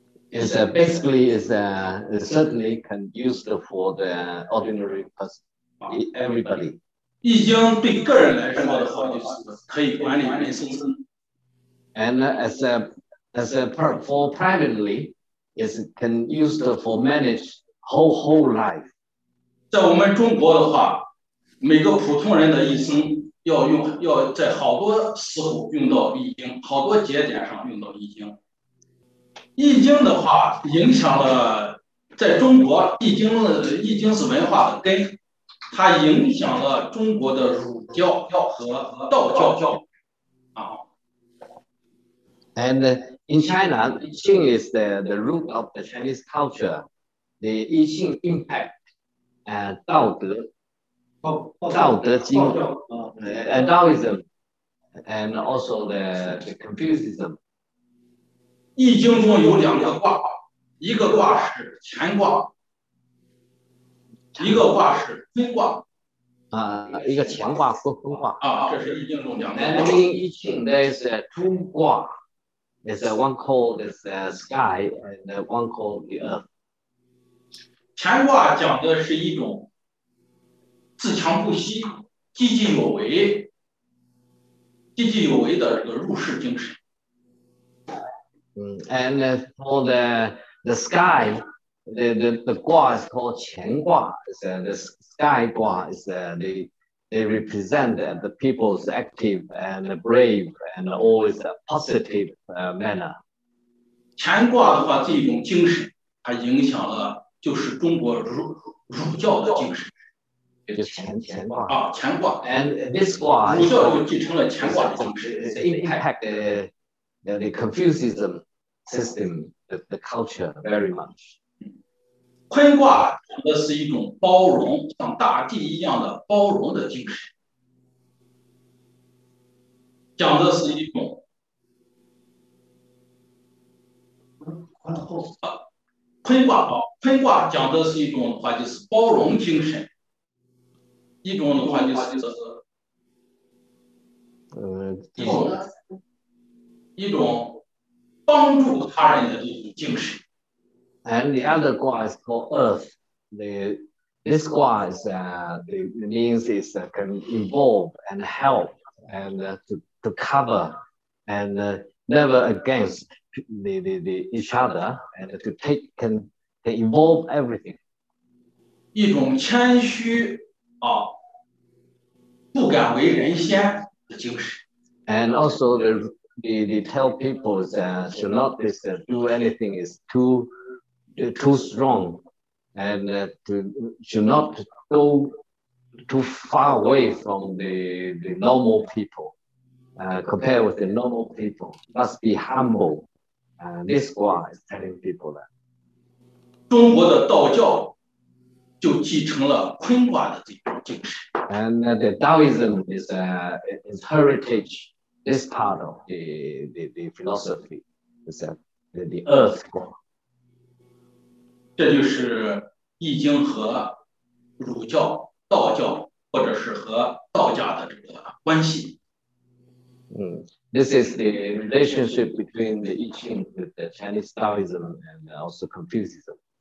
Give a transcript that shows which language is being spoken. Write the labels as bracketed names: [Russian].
[English] It's basically is certainly can used for the ordinary person, everybody. [Chinese] 易经对个人来说的话，就是可以管理人生。 [English] And for privately, is can used for manage whole life. [Chinese] 在我们中国的话，每个普通人的一生。要在好多时候用到易经，好多节点上用到易经。易经的话，影响了在中国，易经是文化的根，它影响了中国的儒教和道教 [English] And in China, I Ching is the root of the Chinese culture. The I Ching impact, 道德。道德经 and Taoism, and also the Confucianism. [Chinese] 易经中有两个卦，一个卦是乾卦，一个卦是坤卦。一个乾卦和坤卦。这是易经中两个卦。 [English] And in I Ching, there is a 中卦 there's a one called the sky and one called the earth. [Chinese] 乾卦讲的是一种。自强不息，积极有为，积极有为的这个入世精神。 [English] And for the sky, the 卦 is called 乾卦 the sky 卦 is they represent the people's active and brave and always a positive manner. [Chinese] 乾卦的话，这种精神，它影响了就是中国儒教的精神。乾卦 [English] and this [Chinese] 卦儒教就继承了乾卦的精神 [English] impact the Confucianism system the culture very much [Chinese] 坤卦讲的是一种包容像大地一样的包容的精神讲的是一种坤卦讲的是一种的话就是包容精神一种的话就是一种帮助他人的这种精神。 [English] And the other卦 is called earth. This 卦 is means is can involve and help and to cover and never against the each other and to take can involve everything. [Chinese] 一种谦虚不敢为人先， [English] And also they tell people that should not do anything is too strong, and should not go too far away from the normal people. Compared with the normal people, must be humble. This Gua is telling people that. [Chinese] 中国的道教就继承了坤卦的这种精神。 [English] And the Taoism is heritage this part of the philosophy, is the earth Gua. [Chinese] 这就是易经和儒教、道教，或者是和道家的这个关系。 [English] This is the relationship between the I-Ching with the Chinese Taoism and also Confucianism.